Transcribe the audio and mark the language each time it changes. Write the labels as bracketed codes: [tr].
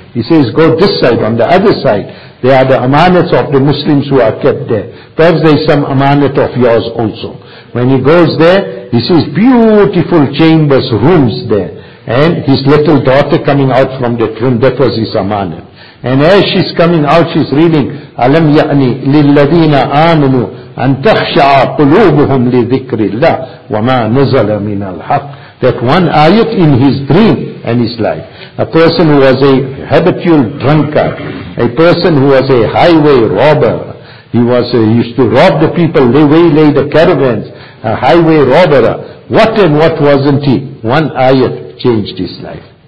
[en] He says, go this side, on the other side. They are the amanats of the Muslims who are kept there. Perhaps there is some amanat of yours also. When he goes there, he sees beautiful chambers, rooms there. And his little daughter coming out from that room, that was his amanat. And as she's coming out, she's reading, [ar] أَلَمْ يَأْنِ لِلَّذِينَ آمَنُوا أَنْ تَخْشَعَ قُلُوبُهُمْ لِذِكْرِ اللَّهِ وَمَا نَزَلَ مِنَ الْحَقِّ. [en] That one ayat in his dream and his life. A person who was a habitual drunkard, a person who was a highway robber. He used to rob the people, waylay the caravans, a highway robber. What and what wasn't he? One ayat changed his life.